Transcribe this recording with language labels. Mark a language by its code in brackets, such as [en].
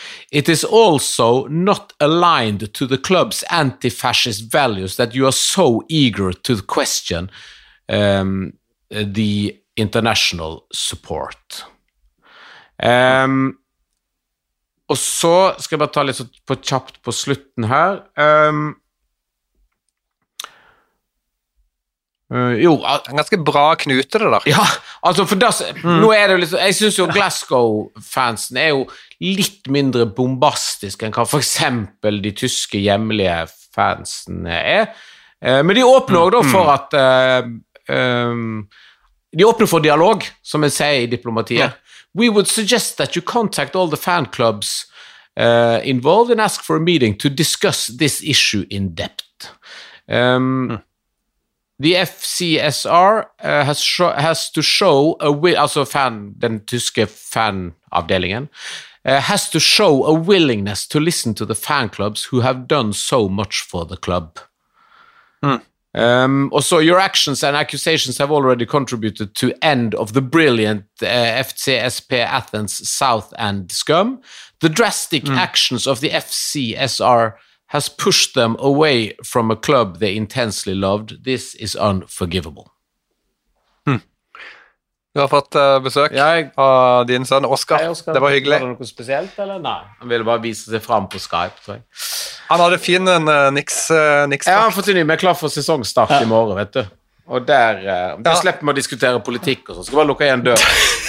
[en] It is also not aligned to the club's anti-fascist values that you are so eager to question the international support. [no] Og så skal jeg bare ta litt på kjapt på slutten her. Jo, ganske bra knute det der. Ja, altså for da, nå er det jo liksom, jeg synes jo Glasgow-fansen er jo litt mindre bombastisk enn hva for eksempel de tyske hjemlige fansene er. Men de åpner også da for at, de åpner for dialog, som jeg sier i diplomatiet. [en] Yeah. We would suggest that you contact all the fan clubs involved and ask for a meeting to discuss this issue in depth. The FCSR has to show a will, [no] altså fan, den tyske fanavdelingen, [en] has to show a willingness to listen to the fan clubs who have done so much for the club. Also, your actions and accusations have already contributed to end of the brilliant FCSP Athens South End scum. The drastic actions of the FCSR has pushed them away from a club they intensely loved. This is unforgivable. [no] Du har fått besøk av din sønn, Oskar. Det var hyggelig. Var det noe spesielt, eller? Nei, han ville bare vise seg frem på Skype, tror jeg. Han hadde fin en Knicks-kart. Ja, han får tilny, vi er klar for sesongstart i morgen, vet du. Og der, vi slipper med å diskutere politikk og sånt. Skal bare lukke igjen døren.